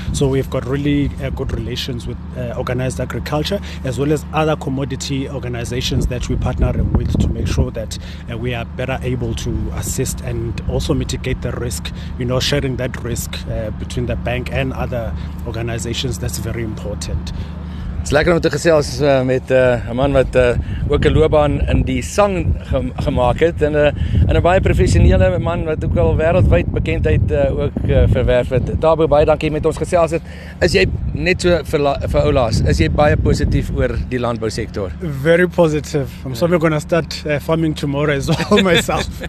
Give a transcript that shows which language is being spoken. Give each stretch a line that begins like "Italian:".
English: So we've got really good relations with organized agriculture as well as other commodity organizations that we partner with to make sure that we are better able to assist and also mitigate the risk, you know, sharing that risk between the bank and other organizations. That's very important.
Afrikaans: It's lekker om te gesels met 'n man wat ook 'n loopbaan in die sang gemaak het en 'n baie professionele man wat ook al wêreldwyd bekendheid ook verwerf het. Thabo, baie dankie met ons gesels het. Is jy net so vir Oulaas, is jy baie positief oor die landbousektor?
English: Very positive. I'm so going to start farming tomorrow as well myself.